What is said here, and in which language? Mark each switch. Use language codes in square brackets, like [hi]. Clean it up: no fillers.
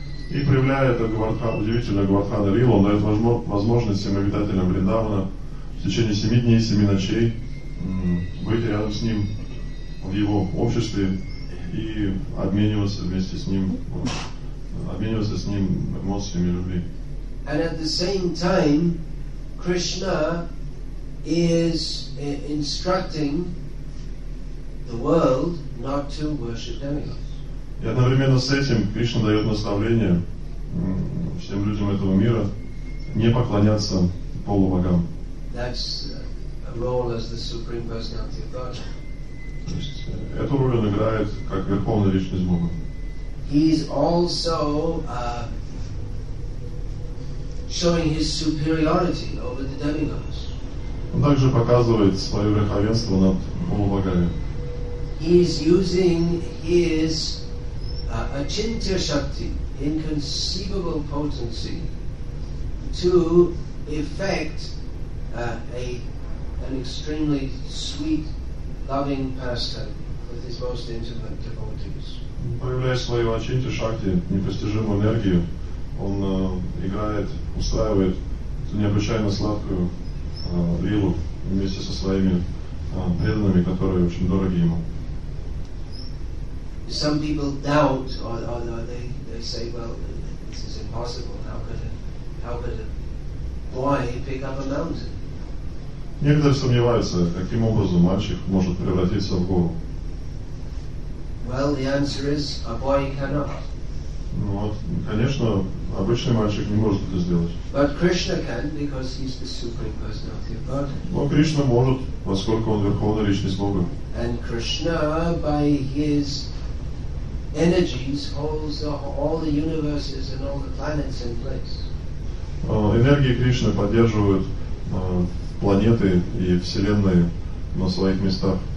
[ru] И проявляя это Говардхан, удивительно, Говардхан Лила, он дает возможность всем обитателям Вриндавана в течение 7 дней, 7 ночей быть рядом с ним в его обществе и обмениваться вместе с ним, обмениваться с ним эмоциями любви. [en] And at the same time, Krishna is instructing the world not to worship demigods. [ru] И одновременно с этим Кришна дает наставление всем людям этого мира не поклоняться полубогам. [en] That's a role as the supreme personality of God. [ru] То есть эту роль он играет как верховная личность Бога. [en] He's also showing his superiority over the demigods. [ru] Он также показывает свое верховенство над полубогами. [en] He's using his achintya shakti, inconceivable potency, to effect an extremely sweet, loving pastime with his most intimate devotees. [ru] Проявляя свою очинтию шакти, непостижимую энергию, он играет, устраивает эту необычайно сладкую лилу вместе со своими преданными, которые очень дороги ему. [en] Some people doubt, or they say, well, this is impossible. How could a boy pick up a mountain? [ru] Некоторые сомневаются, каким образом мальчик может превратиться в гору. [en] Well, the answer is, a boy cannot. [ru] Ну вот, конечно, обычный мальчик не может это сделать. [en] But Krishna can, because he's the supreme personality of God. [ru] Но Кришна может, поскольку он верховная личность Бога. [en] And Krishna, by his energies, holds all the universes and all the planets in place. [ru] Энергии Кришны поддерживают планеты и вселенные на своих местах.